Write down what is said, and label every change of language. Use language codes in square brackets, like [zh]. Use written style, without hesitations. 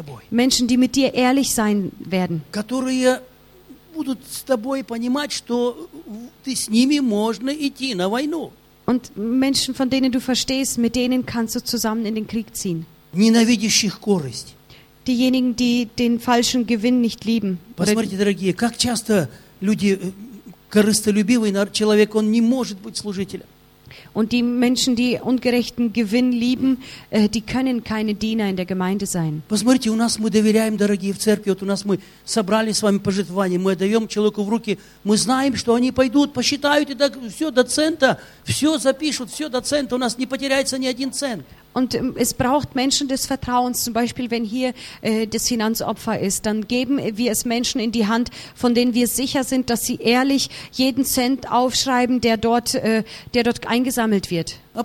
[de] Menschen, die mit dir ehrlich sein werden. [ru] Которые будут с тобой понимать, что ты с ними можно идти на войну. [de] Und Menschen, von denen du verstehst, mit denen kannst du zusammen in den Krieg ziehen. [ru] Ненавидящих корысть. [de] Diejenigen, die den falschen Gewinn nicht lieben. [ru] Посмотрите, дорогие, как часто люди, Корыстолюбивый человек, он не может быть служителем. [de] Und die Menschen, die ungerechten Gewinn lieben, die können keine Diener in der Gemeinde sein. [ru] Посмотрите, у нас мы доверяем, дорогие, в церкви. Вот у нас мы собрали с вами пожертвования, мы отдаем человеку в руки. Мы знаем, что они пойдут, посчитают и так все до цента, все запишут, все до цента. У нас не потеряется ни один цент. [de] Und es braucht Menschen des Vertrauens, zum Beispiel, wenn hier das Finanzopfer ist, dann geben wir es Menschen in die Hand, von denen wir sicher sind, dass sie ehrlich jeden Cent aufschreiben, der dort eingesammelt wird.